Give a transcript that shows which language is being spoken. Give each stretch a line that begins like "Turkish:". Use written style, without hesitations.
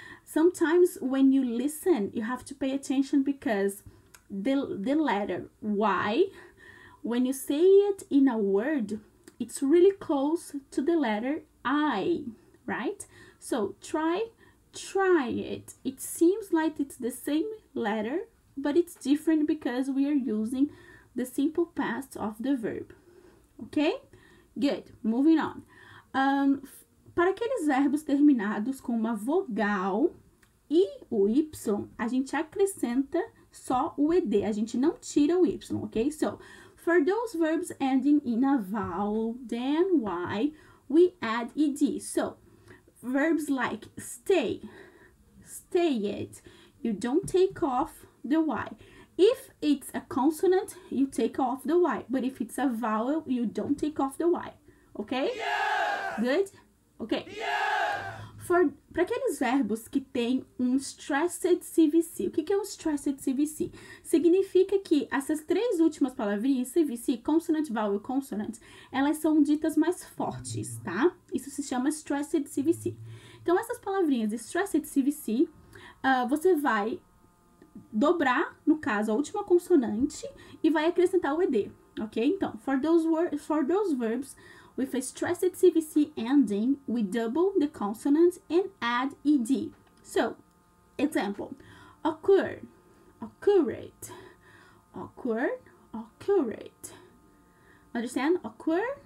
English: Sometimes when you listen, you have to pay attention because the letter Y, when you say it in a word, it's really close to the letter I, right? So, try, try it. It seems like it's the same letter, but it's different because we are using the simple past of the verb. Okay? Good. Moving on.
Portuguese: Para aqueles verbos terminados com uma vogal e o Y, a gente acrescenta só o ED. A gente não tira o Y,
English: okay? So, for those verbs ending in a vowel, then Y, we add ED. So, verbs like stay, stayed, you don't take off the Y. If it's a consonant, you take off the Y. But if it's a vowel, you don't take off the Y. Okay? Yeah! Good? Okay. Yeah!
Portuguese: Para aqueles verbos que têm um stressed CVC, o que, que é um stressed CVC? Significa que essas três últimas palavrinhas, CVC, consonant, vowel, consonant, elas são ditas mais fortes, tá? Isso se chama stressed CVC. Então, essas palavrinhas de stressed CVC, você vai dobrar, no caso, a última consonante e vai acrescentar o ED, ok?
English: Então, for those verbs with a stressed CVC ending, we double the consonant and add ED. So, example, occur, occurred, occur, occurred. Understand? Occur?